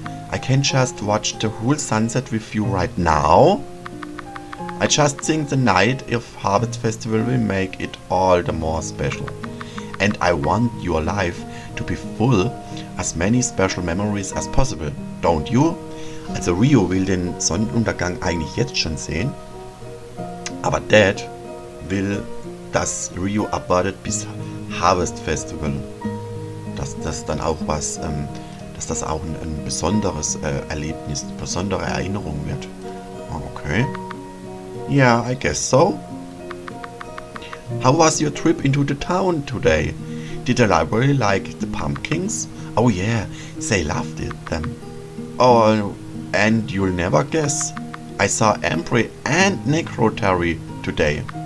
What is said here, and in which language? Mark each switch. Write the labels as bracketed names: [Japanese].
[English] I can just watch the whole sunset with you right now. I just think the night of Harvest Festival will make it all the more special. And I want your life to be full as many special memories as possible, don't you? [German] Also Rio will den Sonnenuntergang eigentlich jetzt schon sehen. Aber Dad will, dass Rio abwartet bis Harvest Festival. Dass das dann auch was, dass das auch ein besonderes Erlebnis, eine besondere Erinnerung wird. Okay. [English] Yeah, I guess so. How was your trip into the town today? Did the library like the pumpkins? Oh yeah, they loved it then. Oh, and you'll never guess. I saw Embry and Necrotary today.